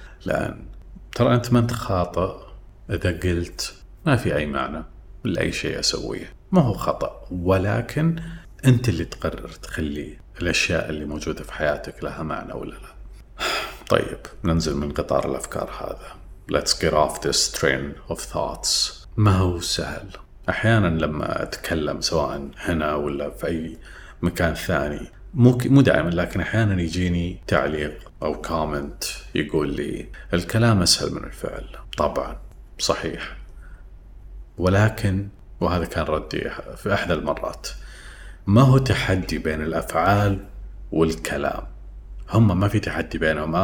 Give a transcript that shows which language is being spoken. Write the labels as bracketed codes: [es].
[ar] لأن ترى أنت ما أنت خاطئ إذا قلت ما في أي معنى لأي شيء أسويه، ما هو خطأ، ولكن أنت اللي تقرر تخلي الأشياء اللي موجودة في حياتك لها معنى ولا لا. طيب، ننزل من قطار الأفكار هذا. [en] Let's get off this train of thoughts. [ar] ما هو سهل. أحيانا لما أتكلم سواء هنا ولا في أي مكان ثاني، مو دائما، لكن أحيانا يجيني تعليق أو كومنت يقول لي الكلام أسهل من الفعل. طبعا صحيح، ولكن، وهذا كان ردي في أحد المرات، ما هو تحدي بين الأفعال والكلام؟ هما ما في تحدي بينهم.